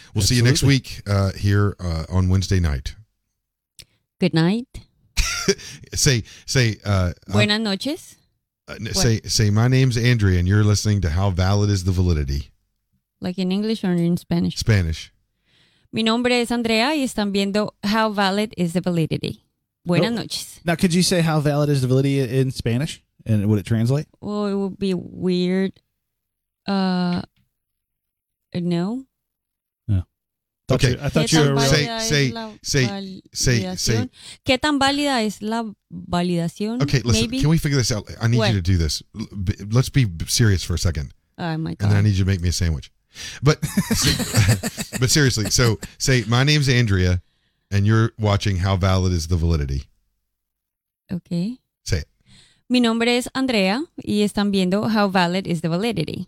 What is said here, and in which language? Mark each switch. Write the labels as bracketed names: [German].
[English] We'll see you next week here on Wednesday night. Good night. say. [Spanish] Buenas noches. [English] Say, my name's Andrea, and you're listening to How Valid is the Validity? Like in English or in Spanish? Spanish. [Spanish] Mi nombre es Andrea, y están viendo [English] How Valid is the Validity. [Spanish] Buenas noches. [English] Now, could you say How Valid is the Validity in Spanish? And would it translate? Well, it would be weird. No. Okay. I thought you were saying [Spanish] ¿Qué tan válida es la validación? [English] Okay, listen. Maybe? Can we figure this out? I need you to do this. Let's be serious for a second. Oh my God! And then I need you to make me a sandwich. But but seriously, so say my name's Andrea, and you're watching How Valid is the Validity? Okay. Say it. [Spanish] Mi nombre es Andrea, y están viendo [English] How Valid is the Validity.